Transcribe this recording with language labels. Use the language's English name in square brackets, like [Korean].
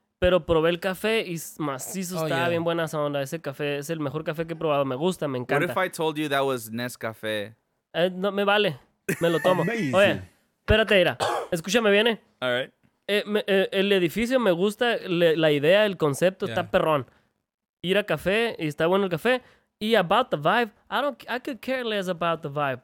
[Spanish] Pero probé el café y macizo estaba bien buena esa onda. Ese café es el mejor café que he probado. Me gusta, me encanta. [English] What if I told you that was Nescafé? [Spanish] No, me vale. Me lo tomo. [English] Amazing. [Spanish] Oye, espérate, mira. Escúchame bien, ¿eh? [English] All right. [Spanish] El edificio me gusta, la idea, el concepto, está perrón. Ir a café y está bueno el café. [English] Y about the vibe, I could care less about the vibe.